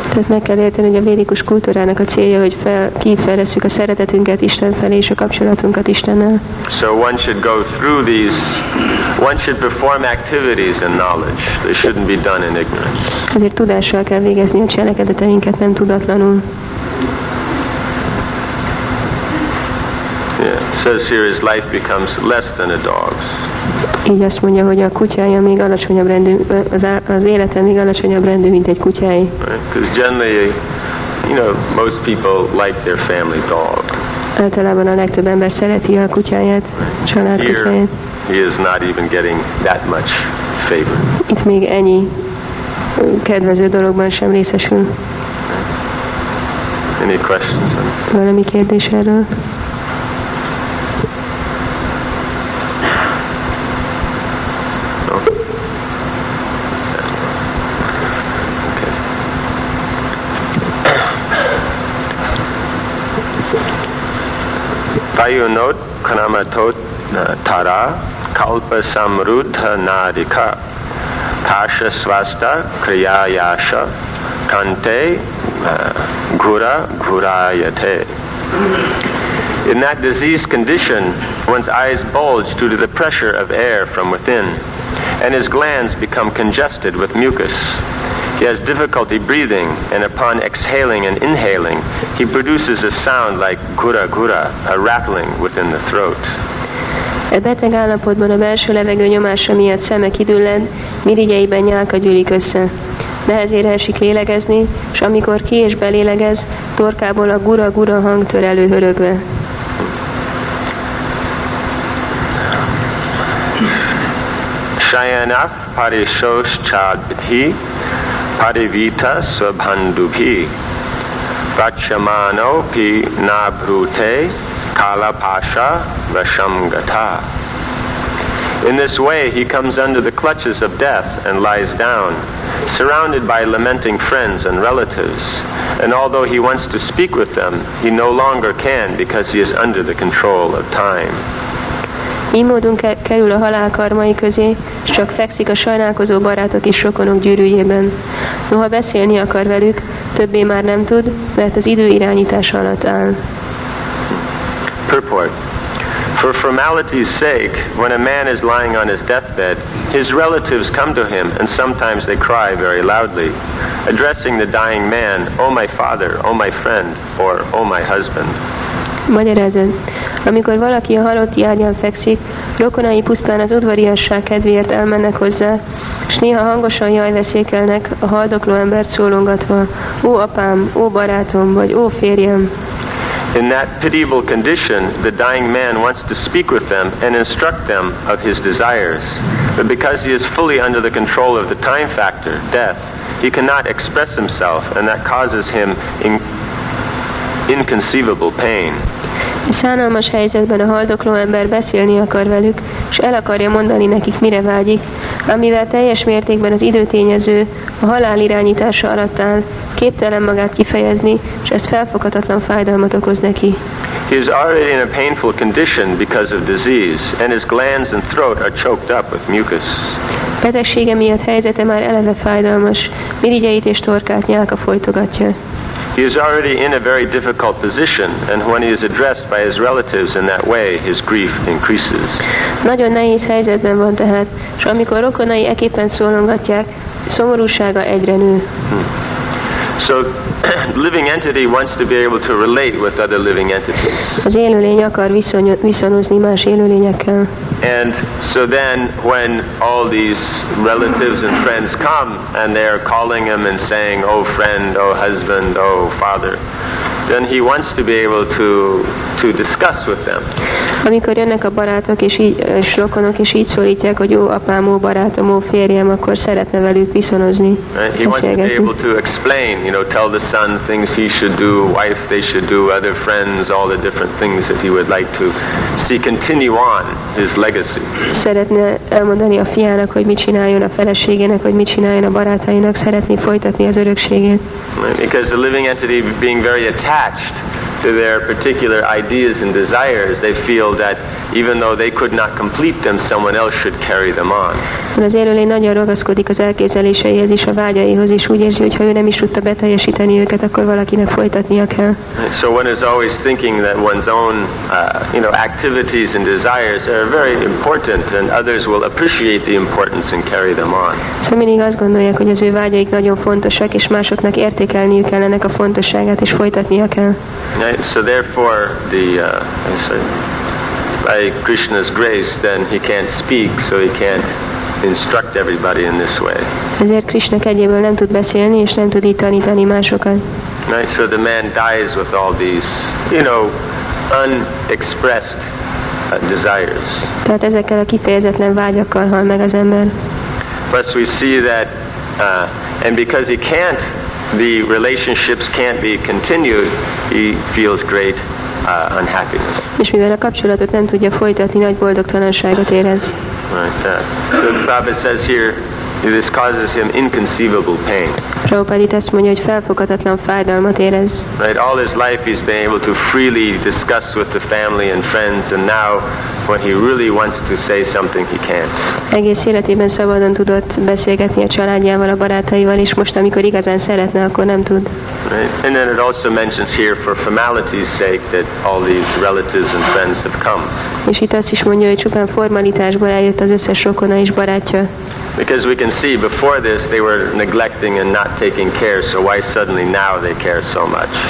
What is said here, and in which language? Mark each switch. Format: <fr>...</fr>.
<hu>Tehát meg kell érteni, hogy a védikus kultúrának a célja, hogy kifejlesszük a szeretetünket Isten felé és a kapcsolatunkat Istennel.</hu> <en>So one should go through these, one should perform activities in knowledge. They shouldn't be done in ignorance.</en> <hu>Ezért tudással kell végezni a cselekedeteinket, nem tudatlanul.</hu> <en>Says here his life becomes less than a dog's.</en> <hu>Így azt mondja, hogy a kutyája még alacsonyabb rendű, az élete még alacsonyabb rendű, mint egy kutyája.</hu> <en>Because generally, you know, most people like their family dog.</en> <hu>Általában a legtöbb ember szereti a kutyáját, család kutyáját.</hu> <en>He is not even getting that much favor.</en> <hu>Itt még ennyi kedvező dologban sem részesül.</hu> <en>Any questions?</en> <hu>Valami kérdés erről?</hu> <sa>Ayunot kramatot tara kalpa samrutha nadika kasha svasta kriya yasha kante gura gurayate.</sa> <en>In that diseased condition, one's eyes bulge due to the pressure of air from within, and his glands become congested with mucus. He has difficulty breathing, and upon exhaling and inhaling, he produces a sound like gura gura, a rattling within the throat.</en> <hu>A beteg állapotban a belső levegő nyomása miatt szemek idüllen, mirigyeiben nyálka gyűlik össze. Nehezére esik lélegezni, és amikor ki és belélegez, torkából a gura gura hang tör elő hörögve.</hu> <sa>Shayanaf parishosh chadhi Parivita svabhandubhi Vachamano pi nabhute kalapasha vashamgata.</sa> <en>In this way, he comes under the clutches of death and lies down, surrounded by lamenting friends and relatives. And although he wants to speak with them, he no longer can because he is under the control of time.</en> <hu>Így módon kerül a halál karmai közé, és csak fekszik a sajnálkozó barátok és rokonok gyűrűjében. Noha beszélni akar velük, többé már nem tud, mert az idő irányítása alatt áll.</hu> <en>Purport. For formality's sake, when a man is lying on his deathbed, his relatives come to him, and sometimes they cry very loudly, addressing the dying man, O my father, O my friend, or O my husband.</en> <hu>Magyarázat. Amikor valaki a halotti ágyán fekszik, rokonai pusztán az udvariasság kedvéért elmennek hozzá, és néha hangosan jajveszékelnek a haldokló embert szólongatva, ó apám, ó barátom, vagy ó férjem.</hu> <en>In that pitiable condition, the dying man wants to speak with them and instruct them of his desires. But because he is fully under the control of the time factor, death, he cannot express himself, and that causes him inconceivable pain.</en> <hu>Szánalmas helyzetben a haldokló ember beszélni akar velük, és el akarja mondani nekik, mire vágyik, amivel teljes mértékben az időtényező, a halál irányítása alatt áll, képtelen magát kifejezni, és ez felfoghatatlan fájdalmat okoz neki.</hu> <en>He is already in a painful condition because of disease, and his glands and throat are choked up with mucus.</en> <hu>Betegsége miatt helyzete már eleve fájdalmas, mirigyeit és torkát nyálka folytogatja.</hu> <en>He is already in a very difficult position, and when he is addressed by his relatives in that way, his grief increases.</en> <hu>Nagyon nehéz helyzetben van tehát, és amikor rokonai eképpen szólongatják, szomorúsága egyre nő.</hu> <en>So, living entity wants to be able to relate with other living entities.</en> <hu>Az élőlény akar viszonyozni más élőlényekkel.</hu> <en>And so then, when all these relatives and friends come, and they are calling him and saying, "Oh friend, oh husband, oh father," then he wants to be able to discuss with them.</en> <hu>Amikor jönnek a barátok és így rokonok és így szólítják, hogy ó apám, ó barátom, ó férjem, akkor szeretne velük viszonozni.</hu> <en>He wants to be able to explain, you know, tell the son things he should do, wife they should do, other friends, all the different things that he would like to see continue on his legacy.</en> <hu>Szeretne elmondani a fiának, hogy mit csináljon, a feleségének, hogy mit csináljon, a barátainak, szeretni folytatni az örökségét.</hu> <en>Because the living entity being very attached to their particular ideas and desires, they feel that even though they could not complete them, someone else should carry them on.</en> <hu>Az élőlény nagyon ragaszkodik az elképzeléseihez és a vágyaihoz, és úgy érzi, hogy ha ő nem is tudta beteljesíteni őket, akkor valakinek folytatnia kell.</hu> <en>So one is always thinking that one's own, you know, activities and desires are very important, and others will appreciate the importance and carry them on.</en> <hu>So mindig azt gondolják, hogy az ő vágyaik nagyon fontosak, és másoknak értékelniük kell ennek a fontosságát, és folytatnia kell.</hu> <en>Right? So therefore, by Krishna's grace, then he can't speak, so he can't instruct everybody in this way.</en> <hu>Ezért Krishna kegyéből nem tud beszélni, és nem tud így tanítani másokat.</hu> <en>Right? So the man dies with all these, you know, unexpressed desires.</en> <hu>Tehát ezekkel a kifejezetlen vágyakkal hal meg az ember.</hu> <en>Plus we see that, and because he can't, the relationships can't be continued, he feels great unhappiness.</en> <hu>És mivel a kapcsolatot nem tudja folytatni, nagy boldogtalanságot érez.</hu> <en>Right, so Prabhupada says here, this causes him inconceivable pain.</en> <hu>Prabhupada itt azt mondja, hogy felfoghatatlan fájdalmat érez.</hu> <en>Right, all his life he's been able to freely discuss with the family and friends, and now when he really wants to say something, he can't.</en> <hu>Egész életében szabadon tudott beszélgetni a családjával, a barátaival, és most, amikor igazán szeretne, akkor nem tud.</hu> <en>Right, and then it also mentions here, for formality's sake, that all these relatives and friends have come.</en> <hu>És itt azt is mondja, hogy csupán formalitásból eljött az összes rokona és barátja.</hu> <en>Because we can see before this they were neglecting and not taking care, so why suddenly now they care so much?</en>